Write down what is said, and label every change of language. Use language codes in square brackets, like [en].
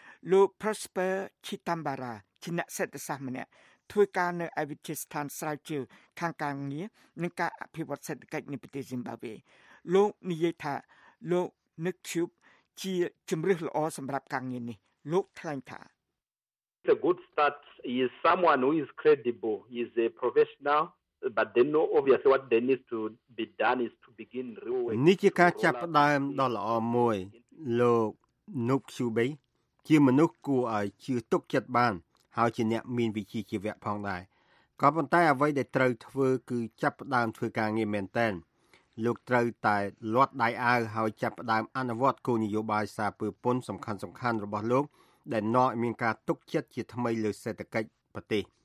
[km] លោក Prosper Chitambara ជាអ្នកសេដ្ឋសាស្ត្រម្នាក់ធ្វើការនៅឯវិទ្យាស្ថានស្រាវជ្រាវខាងការងារនិងការអភិវឌ្ឍសេដ្ឋកិច្ចនៃប្រទេសស៊ីមបាប៊េលោកនិយាយថាលោក Nick Cube ជាជំរើសល្អសម្រាប់ការងារនេះលោកថ្លែងថា [en] A good start is someone who is credible is a professional but they know obviously what they need to be done is to begin real [km] នេះជាការចាប់ផ្ដើមដ៏ល្អមួយលោក Nick Cube ជាមនុស្សគួរឲ្យជឿទុកចិត្តបានហើយជាអ្នកមានវិជ្ជាជីវៈផងដែរក៏ប៉ុន្តែអ្វីដែលត្រូវធ្វើគឺចាប់ផ្ដើមធ្វើការងារមែនទែនលោកត្រូវតែលាត់ដៃអាវហើយចាប់ផ្ដើមអនុវត្តគោលនយោបាយសាពើពន្ធសំខាន់ៗរបស់លោកដែលនាំឲ្យមានការទុកចិត្តជាថ្មីលើសេដ្ឋកិច្ចប្រទេស